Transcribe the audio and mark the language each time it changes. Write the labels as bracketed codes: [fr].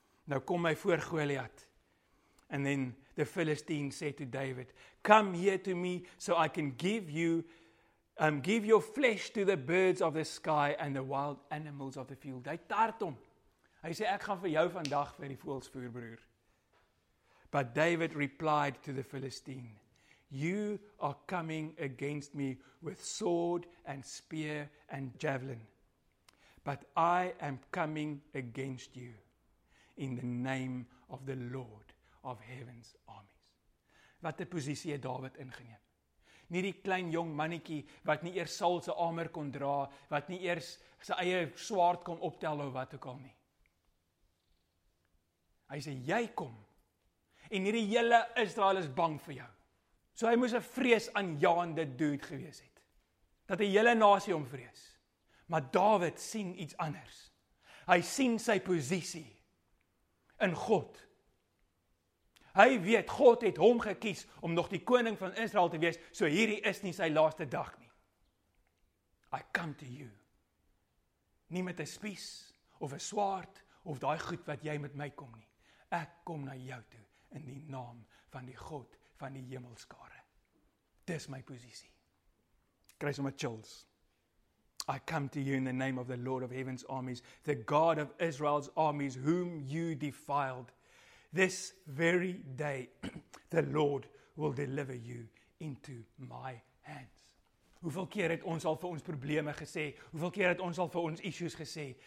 [af] Nou kom hy voor Goliat, [en] and then the Philistine said to David, come here to me so I can give your flesh to the birds of the sky and the wild animals of the field. [af] Hy tart hom. Hy sê, ek gaan vir jou vandag vir die voels voer, broer. [en] But David replied to the Philistine, you are coming against me with sword and spear and javelin, but I am coming against you in the name of the Lord of Heaven's armies. [af] Wat 'n posisie het Dawid ingeneem. Nie die klein jong mannetjie wat nie eers Saul se armer kon dra, wat nie eers sy eie swaard kon optel of wat ook al nie. Hy sê, jy kom, en hierdie hele Israel is bang vir jou. So hy moes 'n vreesaanjaende dude gewees het. Dat die hele nasie hom vrees. Maar Dawid sien iets anders. Hy sien sy posisie in God. Hy weet God het hom gekies om nog die koning van Israel te wees, so hierdie is nie sy laaste dag nie. [en] I come to you. [af] Nie met 'n spies of 'n swaard of daai goed wat jy met my kom nie. Ek kom na jou toe in die naam van die God van die hemelskare. Dis my posisie. Kry sommer chills. [en] I come to you in the name of the Lord of Heaven's armies, the God of Israel's armies, whom you defiled. This very day, the Lord will deliver you into my hands. [af] Hoeveel keer het ons al vir ons probleme gesê? Hoeveel keer het ons al vir ons issues gesê?